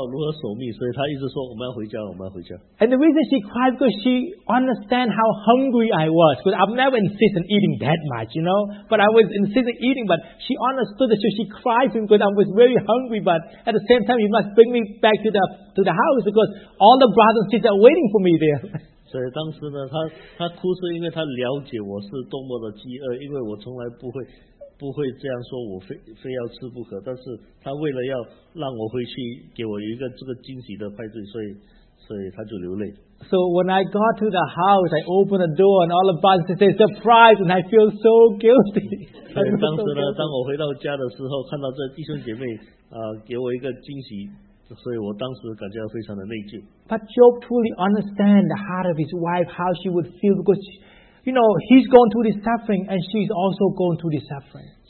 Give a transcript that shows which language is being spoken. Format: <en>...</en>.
<zh>对，因为她其实在家里已经准备好一个惊喜的一个派对，所以她不知道如何守密，所以她一直说我们要回家，我们要回家。</zh> <en>And the reason she cried because she understand how hungry I was, because I've never insisted eating that much, you know. But I was insisting eating, but she understood that, so she cried because I was very hungry. But at the same time, you must bring me back to the house because all the brothers and sisters are waiting for me there.</en> <zh>所以当时呢，她哭是因为她了解我是多么的饥饿，因为我从来不会。不会这样说，我非要吃不可。但是他为了要让我回去，给我一个这个惊喜的派对，所以他就流泪。</zh> <en>So when I got to the house, I opened the door, and all the boys say surprise, and I feel so guilty.</en> <zh>所以当时呢，当我回到家的时候，看到这弟兄姐妹给我一个惊喜，所以我当时感觉到非常的内疚。</zh> <en>But Job truly understand the heart of his wife, how she would feel, because she, you know, he's going through this suffering, and she's also going through this suffering.</en>